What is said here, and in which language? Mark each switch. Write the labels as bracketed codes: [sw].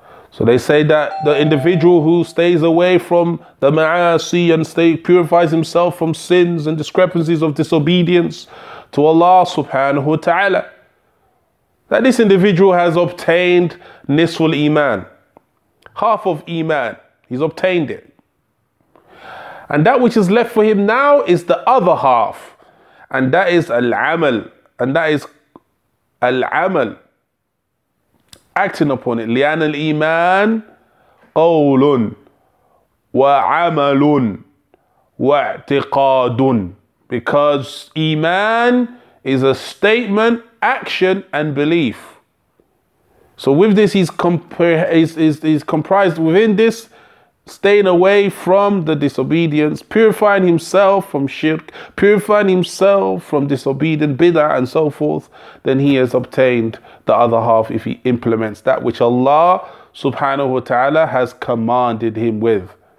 [en] So they say that the individual who stays away from the ma'asi and purifies himself from sins and discrepancies of disobedience to Allah subhanahu wa ta'ala, that this individual has obtained nisful iman, half of iman, he's obtained it. And that which is left for him now is the other half, and that is al-amal, and that is al-amal, acting upon it. [ar] لأن الإيمان قول وعمل واعتقاد. [en] Because iman is a statement, action, and belief. So with this, he's comprised within this, staying away from the disobedience, purifying himself from shirk, purifying himself from disobedience, bid'ah, and so forth, then he has obtained the other half if he implements that which Allah subhanahu wa ta'ala has commanded him with.